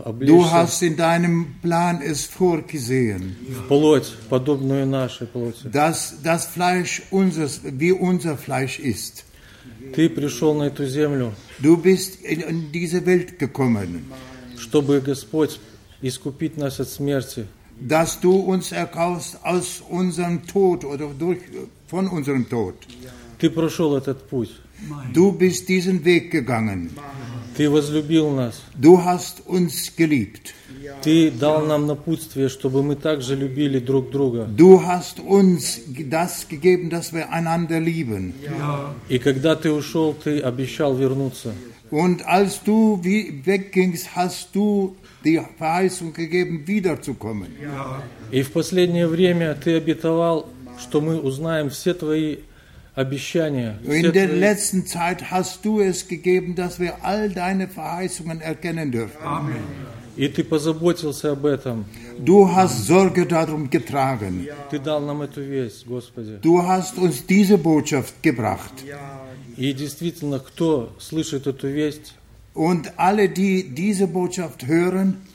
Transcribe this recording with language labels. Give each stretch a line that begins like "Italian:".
Russian: облечься.
German: Du hast in deinem Plan es vorgesehen.
Russian: В плоть, подобную нашей плоти.
German: Das Fleisch unseres, wie unser Fleisch ist.
Russian: Ты пришел на эту землю.
German: Du bist in diese Welt gekommen.
Russian: Чтобы Господь искупить нас от смерти.
German: Dass du uns erkaufst aus unserem Tod oder durch, von unserem Tod.
Russian: Ты прошел этот путь.
German: Du bist diesen Weg gegangen.
Russian: Ты возлюбил нас.
German: Du hast uns geliebt.
Russian: Ты дал нам напутствие, чтобы мы также любили друг друга.
German: Du hast uns das gegeben, dass wir einander lieben.
Russian: И когда ты ушел, ты обещал вернуться.
German: Und als du weggingst, hast du die Verheißung gegeben, wiederzukommen.
Russian: И в последнее время ты обетовал, что мы узнаем все твои обещания.
German: In der letzten Zeit hast du es gegeben, dass wir all deine Verheißungen erkennen dürfen. Amen.
Russian: И ты позаботился об этом.
German: Du hast Sorge darum getragen. Ja.
Russian: Ты дал нам эту весть, Господи.
German: Du hast uns diese Botschaft gebracht.
Russian: Ja. И действительно, кто слышит эту весть?
German: Und alle, die diese Botschaft hören,